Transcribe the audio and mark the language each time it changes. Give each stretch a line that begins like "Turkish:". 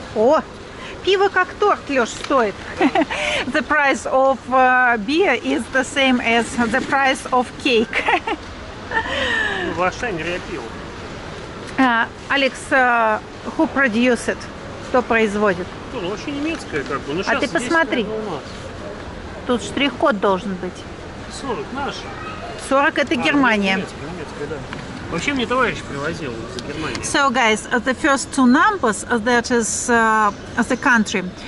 Russian: О, пиво как торт, Лёш, стоит.
English: The price of beer is the same as the price of cake.
Russian: Ваше нереапиво.
English: Алекс, who produced it?
Russian: Кто производит? Ну, вообще немецкая, как бы. Ну, а ты посмотри. Тут штрих-код должен быть. 40 наш. 40 это Германия. Немецкая, да. Вообще мне товарищ привозил из Германии.
English: So guys, the first two numbers, that is the country.